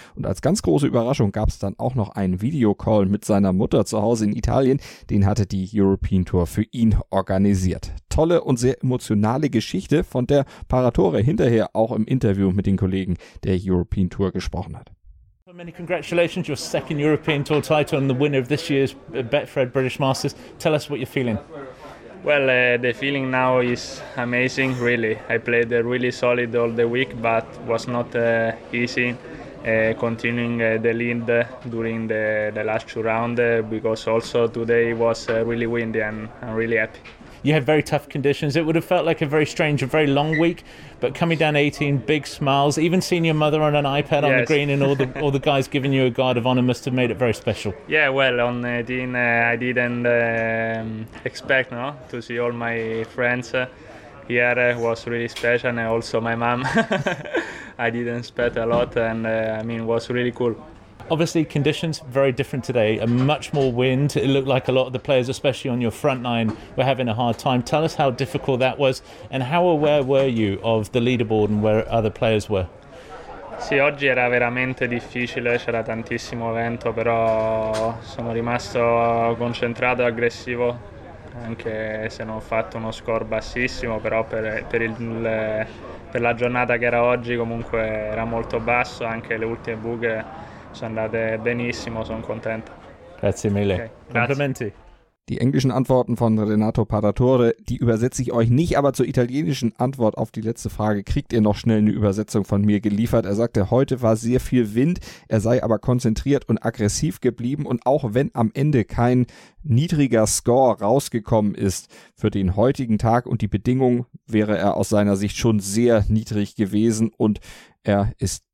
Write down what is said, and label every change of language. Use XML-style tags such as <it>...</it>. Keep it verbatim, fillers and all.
<de>Und als ganz große Überraschung gab es dann auch noch einen Videocall mit seiner Mutter zu Hause in Italien. Den hatte die European Tour für ihn organisiert. Tolle und sehr emotionale Geschichte, von der Paratore hinterher auch im Interview mit den Kollegen der European Tour gesprochen hat.</de> <en>Many congratulations, your second European Tour title and the winner of this year's Betfred British Masters. Tell us what you're feeling. Well, uh, the feeling now is amazing, really. I played uh, really solid all the week, but was not uh, easy uh, continuing uh, the lead uh, during the, the last two rounds uh, because also today was uh, really windy and I'm really happy. You had very tough conditions. It would have felt like a very strange, a very long week, but coming down eighteen, big smiles, even seeing your mother on an iPad yes. on the green and all the all the guys giving you a guard of honour must have made it very special. Yeah, well, on eighteen uh, I didn't um, expect no, to see all my friends uh, here. Uh, was really special and also my mum. I didn't expect a lot and uh, I mean, it was really cool. Obviously, conditions very different today, and much more wind. It looked like a lot of the players, especially on your front line, were having a hard time. Tell us how difficult that was, and how aware were you of the leaderboard and where other players were?</en> <it>Sì, oggi era veramente difficile, c'era tantissimo vento, però sono rimasto concentrato e aggressivo, anche se non ho fatto uno score bassissimo, però per, per il, per la giornata che era oggi comunque era molto basso, anche le ultime buche sono andate benissimo, sono contento. Grazie mille. Okay. Complimenti.</it> <de>Die englischen Antworten von Renato Paratore, die übersetze ich euch nicht, aber zur italienischen Antwort auf die letzte Frage kriegt ihr noch schnell eine Übersetzung von mir geliefert. Er sagte, heute war sehr viel Wind, er sei aber konzentriert und aggressiv geblieben und auch wenn am Ende kein niedriger Score rausgekommen ist für den heutigen Tag und die Bedingung, wäre er aus seiner Sicht schon sehr niedrig gewesen und er ist</de>